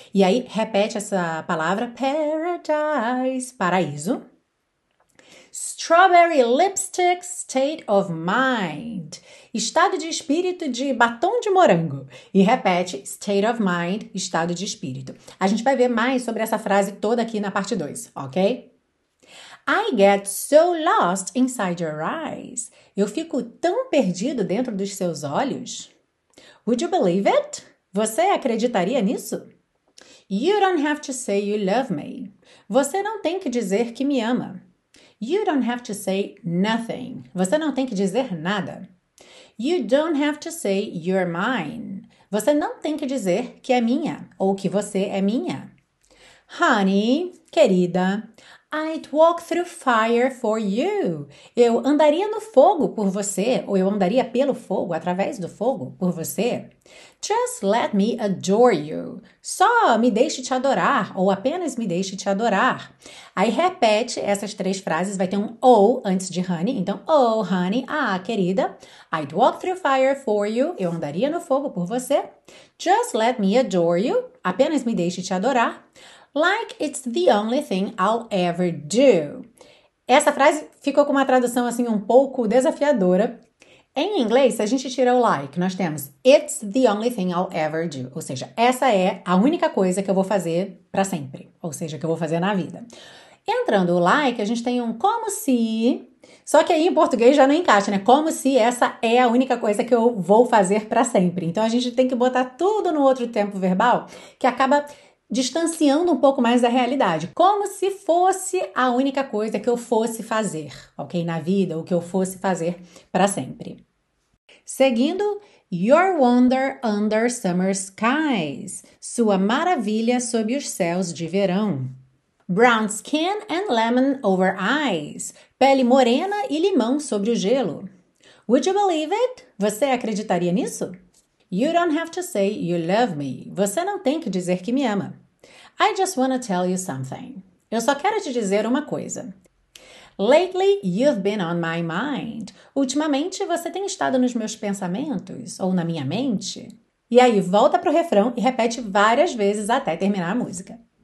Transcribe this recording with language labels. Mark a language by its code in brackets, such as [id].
[pt] E aí, repete essa palavra: paradise, paraíso. [en] Strawberry lipstick state of mind. [pt] Estado de espírito de batom de morango. E repete, [en] state of mind, [pt] estado de espírito. A gente vai ver mais sobre essa frase toda aqui na parte 2, ok? [en] I get so lost inside your eyes. [pt] Eu fico tão perdido dentro dos seus olhos. [en] Would you believe it? [pt] Você acreditaria nisso? [en] You don't have to say you love me. [pt] Você não tem que dizer que me ama. [en] You don't have to say nothing. [pt] Você não tem que dizer nada. [en] You don't have to say you're mine. [pt] Você não tem que dizer que é minha ou que você é minha. [en] Honey, querida, I'd walk through fire for you. [pt] Eu andaria no fogo por você, ou eu andaria pelo fogo, através do fogo, por você. [en] Just let me adore you. [pt] Só me deixe te adorar, ou apenas me deixe te adorar. Aí repete essas três frases, vai ter um oh antes de honey. Então, oh, honey, ah, querida. [en] I'd walk through fire for you. [pt] Eu andaria no fogo por você. [en] Just let me adore you. [pt] Apenas me deixe te adorar. [en] Like it's the only thing I'll ever do. [pt] Essa frase ficou com uma tradução assim um pouco desafiadora. Em inglês, se a gente tira o like, nós temos [en] it's the only thing I'll ever do. [pt] Ou seja, essa é a única coisa que eu vou fazer para sempre. Ou seja, que eu vou fazer na vida. Entrando o like, a gente tem um como se. Só que aí em português já não encaixa, né? Como se essa é a única coisa que eu vou fazer para sempre. Então a gente tem que botar tudo no outro tempo verbal, que acaba distanciando um pouco mais da realidade, como se fosse a única coisa que eu fosse fazer, ok? Na vida, o que eu fosse fazer para sempre. Seguindo, [en] Your wonder under summer skies. [pt] Sua maravilha sob os céus de verão. [en] Brown skin and lemon over ice. [pt] Pele morena e limão sobre o gelo. [en] Would you believe it? [pt] Você acreditaria nisso? [en] You don't have to say you love me. [pt] Você não tem que dizer que me ama. [en] I just want to tell you something. [pt] Eu só quero te dizer uma coisa. [en] Lately, you've been on my mind. [pt] Ultimamente, você tem estado nos meus pensamentos ou na minha mente. E aí, volta pro refrão e repete várias vezes até terminar a música.